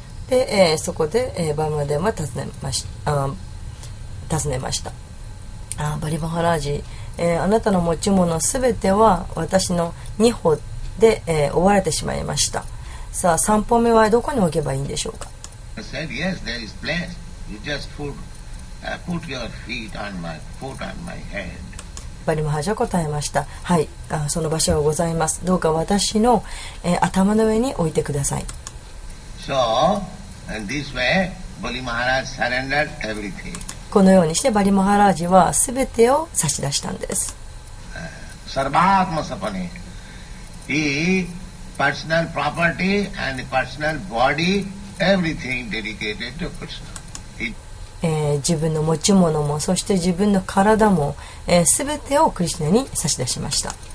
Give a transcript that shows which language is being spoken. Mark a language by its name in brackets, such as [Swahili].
[Japanese] で、そこで、バーマデマ尋ねました。バリマハラージ、あなたの持ち物すべては私の2歩で、追われてしまいました。さあ、3歩目はどこに置けばいいんでしょうか。 [English] I said, yes, there is place. You just put your feet on my foot on my head. [Japanese] バリマハラージは答えました。はい、その場所はございます。どうか私の、頭の上に置いてください。 [English] So, in this way, Bali Maharaj surrendered everything. [Japanese] このようにしてバリマハラージは全てを差し出したんです。 [Sanskrit] サルバートマサパネ [English] He personal property and personal body everything dedicated to Krishna. [Japanese] 自分の持ち物もそして自分の体も、全てをクリシュナに差し出しました。